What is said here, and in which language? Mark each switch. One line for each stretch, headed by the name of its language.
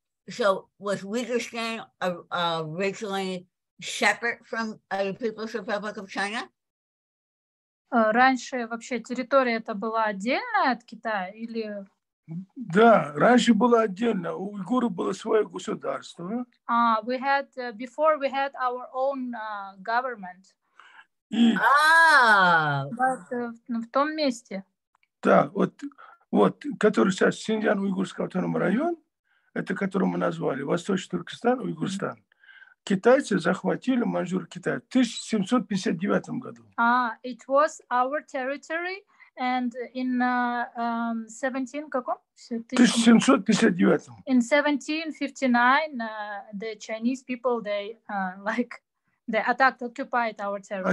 English: So was Uyghurstan originally separate from the People's Republic of China?
Russian: Раньше вообще территория это была отдельная от Китая или? Да, раньше было отдельно. У Уйгуров было свое государство.
English: We had before we had our own government.
Russian: И... В том месте. Да, вот который сейчас Синьцзян-Уйгурский автономный район, это который мы назвали Восточный Туркестан, Уйгурстан. Китайцы захватили Маньчжурию Китая в 1759 году.
English: It was our territory and in 1759. In 1759, the Chinese people they attacked, occupied our territory.